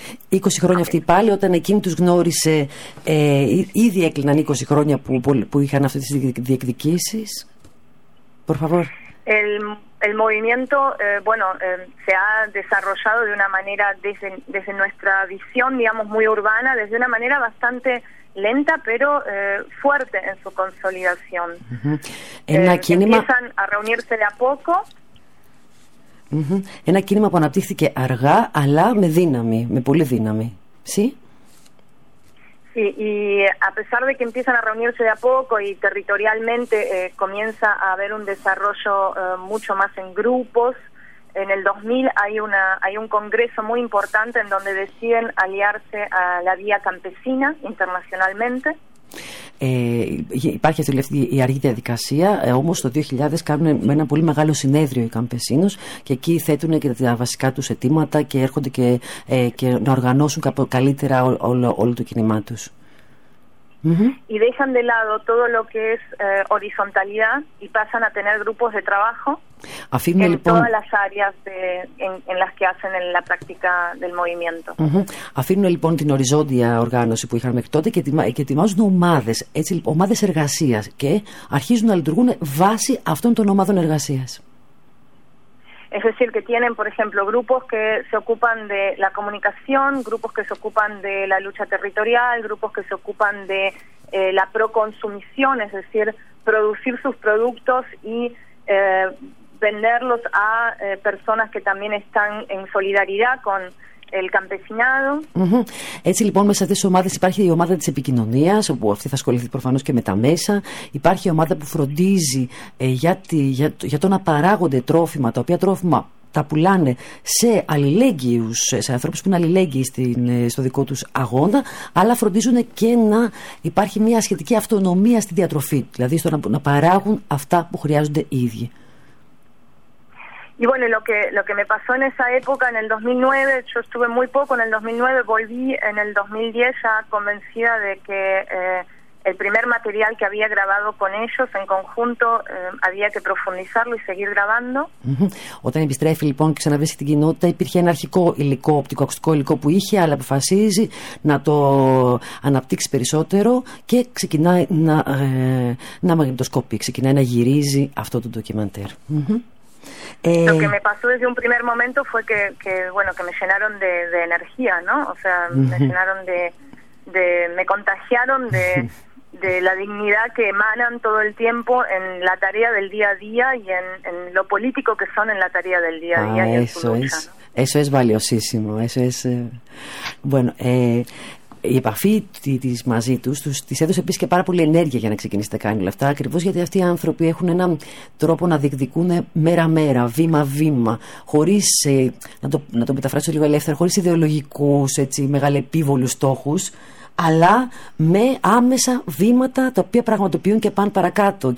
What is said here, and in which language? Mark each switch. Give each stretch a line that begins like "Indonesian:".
Greek: 20 χρόνια αυτή πάλι, όταν εκείνη τους γνώρισε, ήδη έκλειναν 20 χρόνια που είχαν αυτές τις διεκδικήσεις.
Spanish: Por favor. El movimiento, se ha desarrollado de una manera desde nuestra visión, digamos, muy urbana, desde una manera bastante lenta, pero fuerte en su consolidación. Empiezan a reunirse de a poco.
Greek: Ένα κίνημα που αναπτύχθηκε αργά, αλλά με δύναμη, με πολύ δύναμη.
Spanish: Sí. Sí, y a pesar de que empiezan a reunirse de a poco y territorialmente comienza a haber un desarrollo mucho más en grupos, en el 2000 hay un congreso muy importante en donde deciden aliarse a la vía campesina internacionalmente.
Greek: Υπάρχει αυτή η αργή διαδικασία, όμως το 2000 κάνουν ένα πολύ μεγάλο συνέδριο οι καμπεσίνους και εκεί θέτουν και τα βασικά τους αιτήματα και έρχονται και να οργανώσουν καλύτερα όλο το κίνημά τους.
Spanish: Y dejan de lado todo lo que es horizontalidad y pasan a tener grupos de trabajo
Greek: Αφήνουν,
Spanish: en
Greek: λοιπόν,
Spanish: todas las áreas en las que hacen en la práctica del movimiento.
Greek: Αφήνουν λοιπόν την οριζόντια οργάνωση που είχαν μέχρι τότε και ετοιμάζουν ομάδες, έτσι, λοιπόν, ομάδες εργασίας και αρχίζουν να λειτουργούν βάσει αυτών των ομάδων εργασίας.
Spanish: Es decir, que tienen, por ejemplo, grupos que se ocupan de la comunicación, grupos que se ocupan de la lucha territorial, grupos que se ocupan de la proconsumición, es decir, producir sus productos y venderlos a personas que también están en solidaridad con el campesinado.
Greek: Έτσι λοιπόν, μέσα σε αυτές τις ομάδες υπάρχει η ομάδα της επικοινωνίας, όπου αυτή θα ασχοληθεί προφανώς και με τα μέσα. Υπάρχει η ομάδα που φροντίζει για το να παράγονται τρόφιμα, τα οποία τρόφιμα τα πουλάνε σε αλληλέγγυους, σε ανθρώπους που είναι αλληλέγγυοι στο δικό τους αγώνα, αλλά φροντίζουν και να υπάρχει μια σχετική αυτονομία στη διατροφή, δηλαδή στο να παράγουν αυτά που χρειάζονται οι ίδιοι.
Spanish: Y bueno, lo que me pasó en esa época, en el 2009, yo estuve muy poco en el 2009, volví en el 2010 ya convencida de que el primer material que había grabado con ellos en conjunto, había que profundizarlo y seguir grabando.
Greek: Όταν επιστρέφει λοιπόν και ξαναβρίσκει την κοινότητα, υπήρχε ένα αρχικό υλικό, οπτικοακουστικό υλικό που είχε, αλλά αποφασίζει να το αναπτύξει περισσότερο και ξεκινάει να μαγνητοσκοπεί, ξεκινάει να γυρίζει αυτό το ντοκιμαντέρ.
Spanish: Lo que me pasó desde un primer momento fue que me llenaron de energía, ¿no? O sea, me llenaron de me contagiaron de la dignidad que emanan todo el tiempo en la tarea del día a día y en lo político que son en la tarea del día a día. Ah, eso es, ¿no? Eso es valiosísimo, eso es bueno,
Greek: Η επαφή της μαζί τους τις έδωσε επίσης και πάρα πολύ ενέργεια για να ξεκινήσει να κάνει όλα αυτά, ακριβώς γιατί αυτοί οι άνθρωποι έχουν έναν τρόπο να διεκδικούν μέρα-μέρα, βήμα-βήμα, χωρίς, να το μεταφράσω λίγο ελεύθερα, χωρίς ιδεολογικούς, έτσι, μεγαλεπίβολους στόχους, αλλά με άμεσα βήματα τα οποία πραγματοποιούν και πάνε παρακάτω.